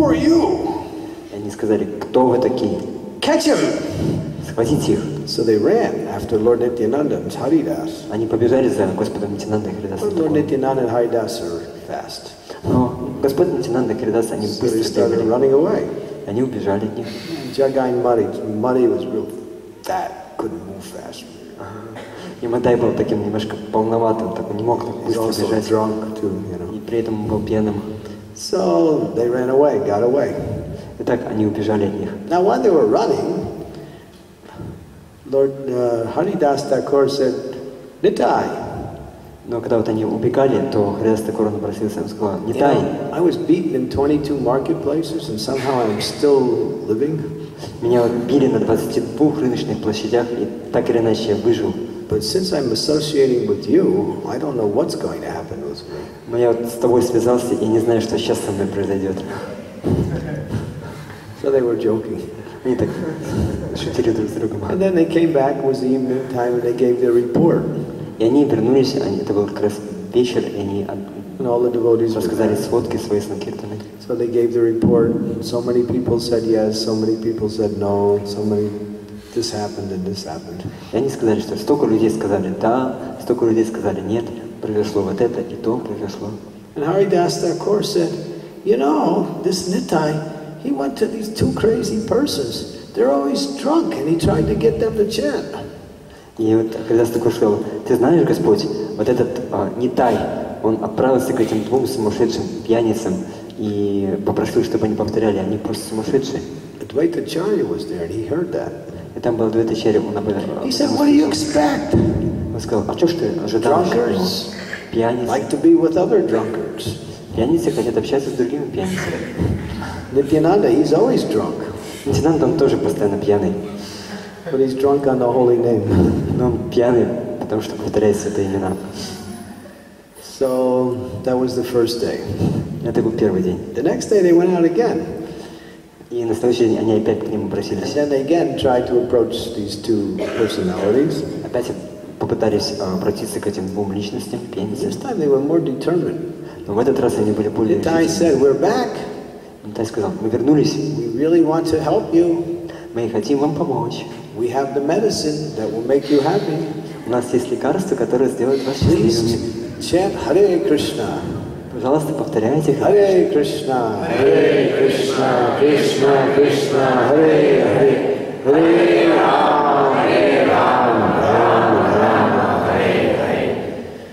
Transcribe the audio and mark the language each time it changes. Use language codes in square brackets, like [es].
[ru] И они сказали, кто вы такие? [en] Catch him! [ru] Схватите их. [en] So they ran after Lord Nityananda and Haridas. [ru] Они побежали за Господом Нитянандой и Харидасом. [en] Lord Nityananda and Haridas are fast. [ru] Но Господь Нитянанда и Харидас, они быстро бежали. [en] So they started running away. [ru] Они убежали от них. [en] Jagai Mari, Mari was real fat, couldn't move fast. [ru] И Мадай был таким немножко полноватым, такой не мог так быстро бежать. [en] Drunk too, you know. [ru] И при этом он был пьяным. [en] So they ran away, got away. [ru] Итак, они убежали от них. [en] Now while they were running, Lord Haridas Thakur said, "Nitai." [ru] Но когда вот они убегали, то Харидас Такур обратился и сказал, "Нитай." [en] You know, I was beaten in 22 marketplaces, and somehow I'm still living. [ru] Меня били на 22 рыночных площадях, и так или иначе я выжил. [en] But since I'm associating with you, I don't know what's going to happen with me. [ru] Но я вот с тобой связался и не знаю, что сейчас со мной произойдет. [en] So they were joking. [ru] Они так шутили друг с другом. [en] And then they came back, it was the evening time, and they gave their report. [ru] И они вернулись, это был как раз вечер, и они рассказали сводки свои санкиртаны. [en] So they gave the report, so many people said yes, so many people said no, so many, this happened and this happened. [ru] И они сказали, что столько людей сказали да, столько людей сказали нет, произошло вот это и то произошло. [en] And Haridas Thakur said, you know, this Nitai, he went to these two crazy persons. They're always drunk, and he tried to get them to chant. [ru] И вот Харидас Такур сказал, ты знаешь, Господь, вот этот Нитай, он отправился к этим двум сумасшедшим пьяницам и попросил, чтобы они повторяли, они просто сумасшедшие. [en] Адвайта Чарья was there, and he heard that. [ru] И там был Адвайта Чарья, он обыграл. [en] He said, what do you expect? [ru] Он сказал, а что ж ты ожидаешь? [en] Drunkers like to be with other drunkards. [ru] Пьяницы хотят общаться с другими пьяницами. [en] Nityananda, he's always drunk. [ru] Nityananda, он тоже постоянно пьяный. [en] But he's drunk on the holy name. [ru] Но он пьяный, потому что повторяет святые имена. [en] So that was the first day. [ru] Это был первый день. [en] The next day they went out again. [ru] И на следующий день они опять к ним обратились. [en] And then they again tried to approach these two personalities. [ru] Опять попытались обратиться к этим двум личностям, пьяницам. [en] This time they were more determined. [ru] Но в этот раз они были более решительны. [en] Nitai said, "We're back." [ru] Нитай сказал, мы вернулись. [en] We really want to help you. [ru] Мы хотим вам помочь. [en] We have the medicine that will make you happy. [ru] У нас есть лекарство, которое сделает вас счастливыми. [en] Chant Hare Krishna. [ru] Пожалуйста, повторяйте. [sa] Hare Krishna. Hare Krishna. Krishna Krishna. Hare Hare. Hare Rama. Hare Rama. Rama Rama. Hare Hare.